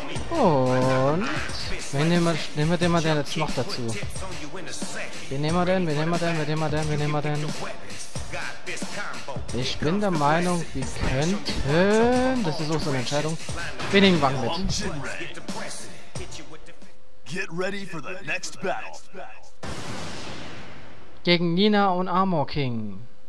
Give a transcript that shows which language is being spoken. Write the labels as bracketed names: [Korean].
[German] Und wen nehmen wir denn mal denn jetzt noch dazu? Wen nehmen wir denn? Ich bin der Meinung, wir könnten, das ist auch so eine Entscheidung, Binning Wang mit. [English] Get ready for the next battle. [German] Gegen Nina und Armor King.